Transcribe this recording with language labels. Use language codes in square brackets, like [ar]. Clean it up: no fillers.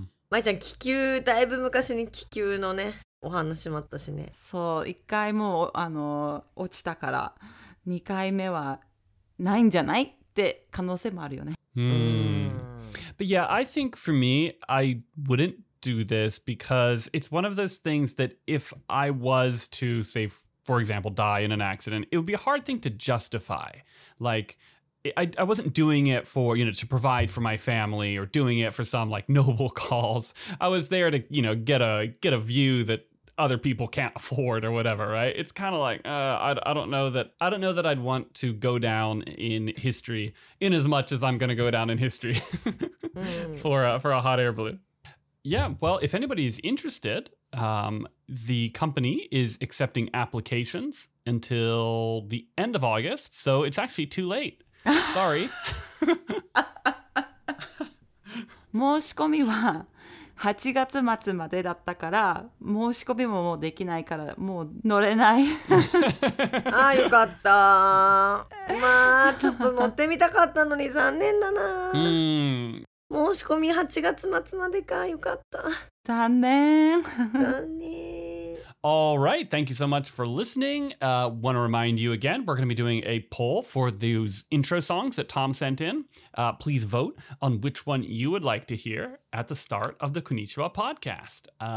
[ja] まいちゃん、気球、だいぶ昔に気球のね、お話しもあったしね。そう、一回もう、落ちたから、二回目はないんじゃないって可能性もあるよね。 [en] But yeah, I think for me, I wouldn't do this because it's one of those things that if I was to, say, for example, die in an accident, it would be a hard thing to justify. Like, I wasn't doing it for, you know, to provide for my family or doing it for some like noble cause. I was there to, you know, get a view that other people can't afford or whatever, right? It's kind of like, I don't know that I'd want to go down in history in as much as I'm going to go down in history for a hot air balloon. Yeah, well, if anybody is interested, the company is accepting applications until the end of August, so it's actually too late. Sorry. [ja] 申し込みは8月末までだったから、申し込みももうできないから、もう乗れない。あ、よかった。まあ、ちょっと乗ってみたかったのに残念だな。申し込み8月末までか、よかった。残念。残念。 [en] All right, thank you so much for listening. Want to remind you again, we're going to be doing a poll for those intro songs that Tom sent in. Please vote on which one you would like to hear at the start of the Konnichiwa podcast.